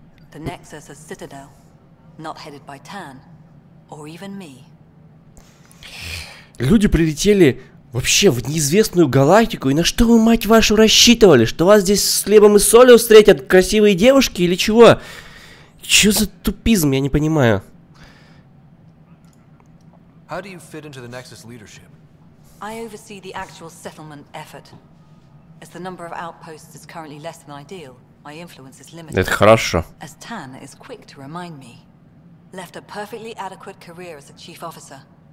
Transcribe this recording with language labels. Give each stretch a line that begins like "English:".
English: The Nexus as citadel, not headed by Tan. Or even me.
Russian: Люди прилетели вообще в неизвестную галактику, и на что вы, мать вашу, рассчитывали? Что вас здесь с хлебом и солью встретят красивые девушки или чего? Чё за тупизм, я не понимаю.
English: How do you fit into the Nexus leadership? I oversee the actual settlement effort. As the number of outposts is currently less than ideal, my influence is limited.
Russian: Это хорошо.
English: As Tan is quick to remind me. Left a perfectly adequate career as a chief officer.